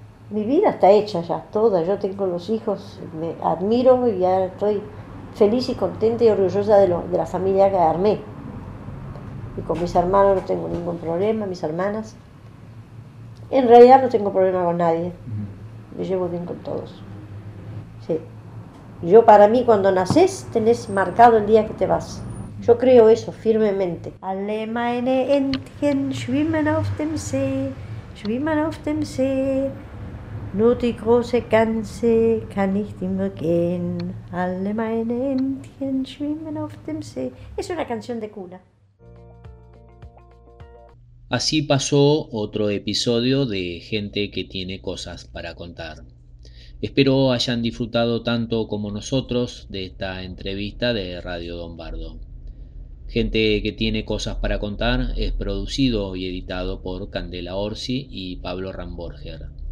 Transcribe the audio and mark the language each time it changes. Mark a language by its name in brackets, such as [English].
[Spanish] Mi vida está hecha ya, toda. Yo tengo los hijos, me admiro y ya estoy feliz y contenta y orgullosa de la familia que armé. Y con mis hermanos no tengo ningún problema, mis hermanas. En realidad no tengo problema con nadie. Me llevo bien con todos. Sí. Yo para mí cuando naces tenés marcado el día que te vas. Yo creo eso firmemente. [German] Alle meine Entchen schwimmen auf dem See, schwimmen auf dem See. Nur die große Gänse kann nicht immer gehen. Alle meine Entchen schwimmen auf dem See. [Spanish] Es una canción de cuna. Así pasó otro episodio de Gente que tiene cosas para contar. Espero hayan disfrutado tanto como nosotros de esta entrevista de Radio Don Bardo. Gente que tiene cosas para contar es producido y editado por Candela Orsi y Pablo Ramborger.